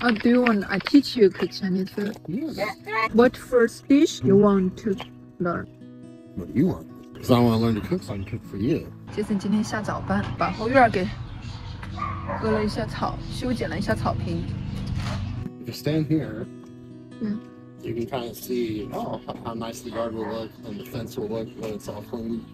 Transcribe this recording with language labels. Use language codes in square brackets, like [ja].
[en] Do you want I teach you Chinese food? Yes. What first dish you want to learn? What do you want? Because I want to learn to cook, so I can cook for you. [zh] Jason 今天下早班，把后院给割了一下草，修剪了一下草坪。 [en] If you stand here, you can kind of see how nice the yard will look and the fence will look when it's all clean.